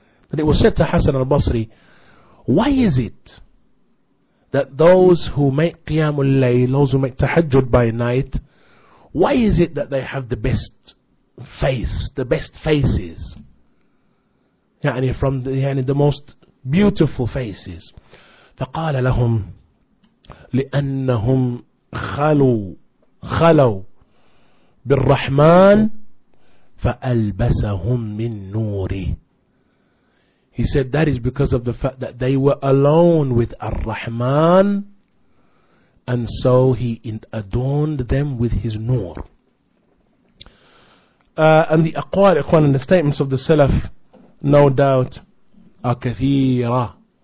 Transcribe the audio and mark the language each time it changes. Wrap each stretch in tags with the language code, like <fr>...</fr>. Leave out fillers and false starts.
<en>And it was said to Hasan al-Basri, why is it that those who make Qiyam al-Layl, those who make Tahajjud by night, why is it that they have the best face, the best faces?</en> <ar>يعني</ar> <en>from the, يعني the most beautiful faces.</en> <ar>فقال لهم لأنهم خلوا بالرحمن فألبسهم من نوره.</ar> <en>He said that is because of the fact that they were alone with Ar-Rahman, and so he adorned them with his nur. And the aqwal, ikhwan, and the statements of the Salaf, no doubt, are kathira.</en>